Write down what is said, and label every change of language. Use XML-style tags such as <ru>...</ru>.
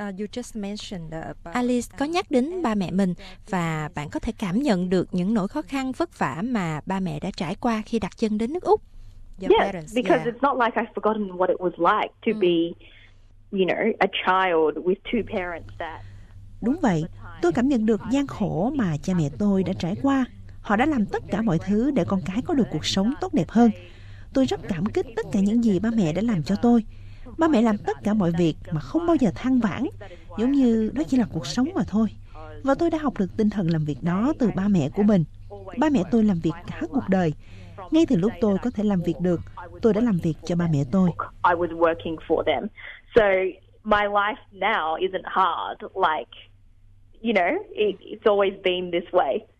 <en>You just mentioned</en> <vi>Alice có nhắc đến ba mẹ mình, và bạn có thể cảm nhận được những nỗi khó khăn vất vả mà ba mẹ đã trải qua khi đặt chân đến nước Úc.</vi> <en>Because it's not like I've forgotten what it was like to be, you know, a child with two parents that.</en> <vi>Đúng vậy, tôi cảm nhận được gian khổ mà cha mẹ tôi đã trải qua. Họ đã làm tất cả mọi thứ để con cái có được cuộc sống tốt đẹp hơn. Tôi rất cảm kích tất cả những gì ba mẹ đã làm cho tôi. Ba mẹ làm tất cả mọi việc mà không bao giờ than vãn, giống như đó chỉ là cuộc sống mà thôi. Và tôi đã học được tinh thần làm việc đó từ ba mẹ của mình. Ba mẹ tôi làm việc cả cuộc đời. Ngay từ lúc tôi có thể làm việc được, tôi đã làm việc cho ba mẹ tôi.</vi> <en>I was working for them. So my life now isn't hard, like, you know, it's always been this way.</en>